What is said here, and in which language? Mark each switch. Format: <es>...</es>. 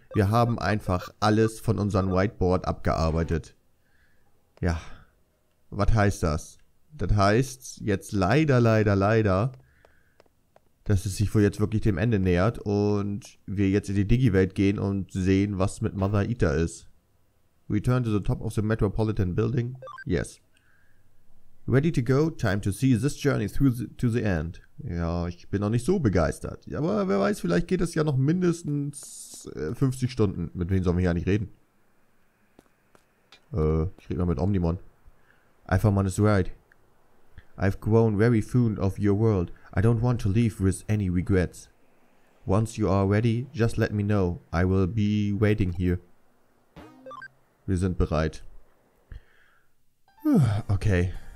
<de>Wir haben einfach alles von unserem Whiteboard abgearbeitet. Ja. Was heißt das? Das heißt jetzt leider, dass es sich wohl jetzt wirklich dem Ende nähert und wir jetzt in die Digi-Welt gehen und sehen, was mit Mother Eater ist.</de> <en>Return to the top of the Metropolitan Building? Yes. Ready to go? Time to see this journey through to the end.</en> <de>Ja, ich bin noch nicht so begeistert. Aber wer weiß, vielleicht geht es ja noch mindestens 50 Stunden. Mit wem sollen wir hier eigentlich reden? Ich rede mal mit Omnimon.</de> <en>Alphamon is right. I've grown very fond of your world. I don't want to leave with any regrets. Once you are ready, just let me know. I will be waiting here.</en> <de>Wir sind bereit. Okay.</de>